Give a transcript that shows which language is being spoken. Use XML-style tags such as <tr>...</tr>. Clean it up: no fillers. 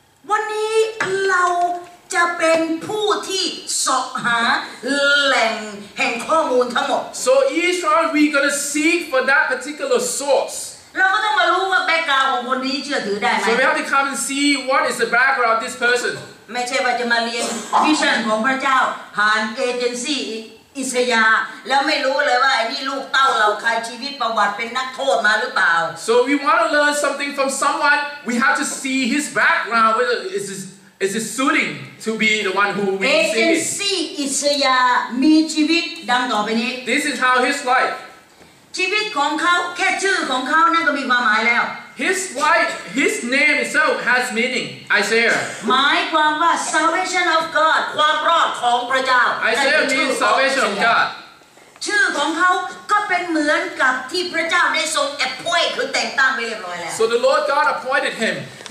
<th>วันนี้เราจะเป็นผู้ที่สอบหาแหล่งแห่งข้อมูลทั้งหมด</th> <en>So each one we gonna seek for that particular source.</en> <th>เราก็ต้องมารู้ว่าแบ็คกราวด์ของคนนี้เชื่อถือได้ไหม</th> <en>So we have to come and see what is the background of this person.</en> <th>ไม่ใช่ว่าจะมาเรียนวิชั่นของพระเจ้าผ่านเอเจนซี่อิสยาแล้วไม่รู้เลยว่าไอ้นี่ลูกเต้าเราใครชีวิตประวัติเป็นนักโทษมาหรือเปล่า</th> <en>So we want to learn something from someone we have to see his background whether is it suiting to be the one who we</en> <th>see เอเจนซี่อิสยามีชีวิตดังต่อไปนี้</th> <en>This is how his life</en> <th>ชีวิตของเขาแค่ชื่อของเขานั่นก็มีความหมายแล้ว</th> <en>His life, his name itself has meaning, Isaiah.</en> <th>หมายความว่า</th> <en>salvation of God,</en> <th>ความรอดของพระเจ้า</th> <en>Isaiah means salvation of God.</en> <th>ชื่อของเขาก็เป็นเหมือนกับที่พระเจ้าได้ทรง appoint คือแต่ง</th> <en>So the Lord God appointed him.</en>